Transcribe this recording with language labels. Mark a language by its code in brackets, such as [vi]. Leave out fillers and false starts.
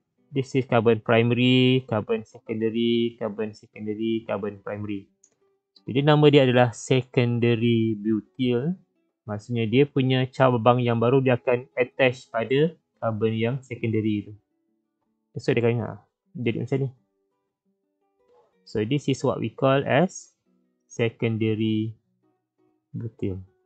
[en] This is carbon primary, carbon secondary, carbon secondary, carbon primary. [ms] Jadi nama dia adalah secondary butyl. Maksudnya dia punya cabang yang baru dia akan attach pada carbon yang secondary itu. So dia kena jadi macam ni. [en] So this is what we call as secondary butyl.